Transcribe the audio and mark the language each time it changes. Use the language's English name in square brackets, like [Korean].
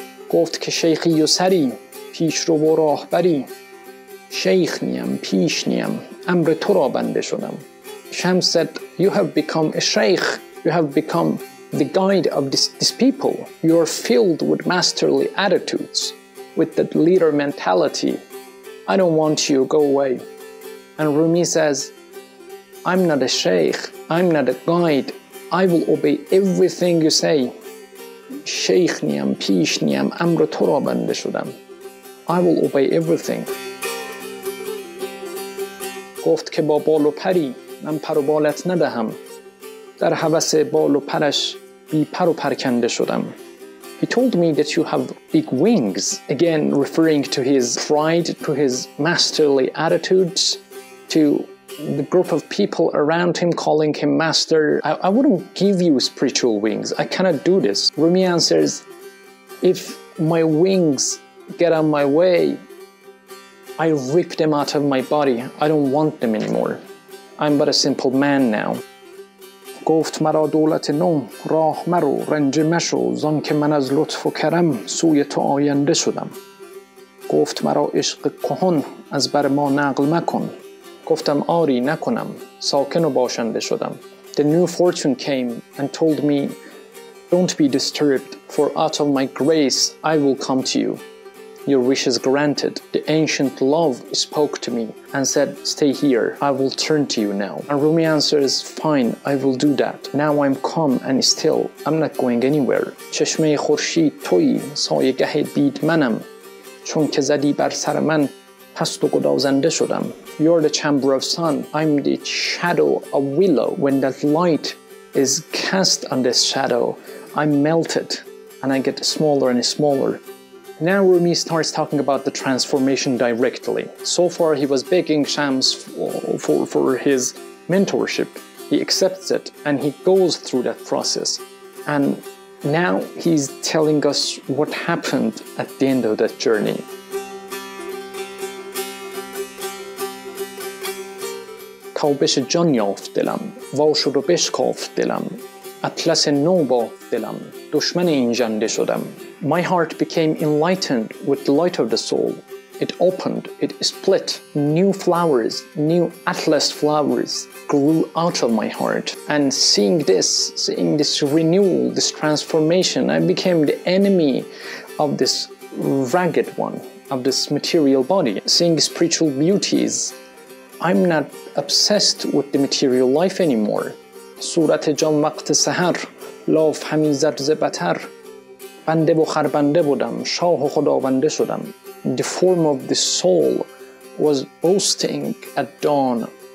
[Persian] گفت که شیخی و سری پیش رو و راهبری شیخ نیم پیش نیم امر تو را بنده شدم. [English] Shams said, you have become a sheikh, you have become the guide of this people. You are filled with masterly attitudes, with that leader mentality. I don't want you, go away. And Rumi says, I'm not a sheikh, I'm not a guide, I will obey everything you say. [Persian] شیخ نیم پیش نیم امر تو را بنده شدم. [English] I will obey everything. [Persian] گفت که با بال و پری من پر و بالت ندهم. در هوس بال و پرش بی پر و پرکنده شدم. [English] He told me that you have big wings. Again, referring to his pride, to his masterly attitudes, to the group of people around him calling him master. I wouldn't give you spiritual wings. I cannot do this. Rumi answers, if my wings get on my way, I rip them out of my body. I don't want them anymore. I'm but a simple man now. [Persian] گفت مرا دولت نو راه مرو رنج مشو زان که من از لطف و کرم سوی تو آینده شدم. گفت مرا عشق کهن از بر ما نقل مکن. گفتم آری نکنم ساکن و باشنده شدم. [English] The new fortune came and told me, don't be disturbed, for out of my grace I will come to you. Your wish is granted. The ancient love spoke to me and said, stay here, I will turn to you now. And Rumi answers, fine, I will do that. Now I'm calm and still, I'm not going anywhere. [Persian] چشمه خورشید تویی سایه گه دید منم چون که زدی بر سر من پست و گدازنده شدم. [English] You're the chamber of sun, I'm the shadow of willow. When that light is cast on this shadow, I'm melted and I get smaller and smaller. Now Rumi starts talking about the transformation directly. So far he was begging Shams for his mentorship. He accepts it and he goes through that process. And now he's telling us what happened at the end of that journey. [Persian] تابش جان یافت دلم وا شد و بشکافت دلم اطلس نو بافت دلم دشمن این جنده شدم. [English] My heart became enlightened with the light of the soul. It opened, it split. New flowers, new atlas flowers grew out of my heart. And seeing this renewal, this transformation, I became the enemy of this ragged one, of this material body. Seeing spiritual beauties, I'm not obsessed with the material life anymore. [Persian] صورت جان وقت سحر لاف همی زد زبتر بنده و خربنده بودم شاه و خداونده شدم. [English] The form of the soul was boasting at dawn.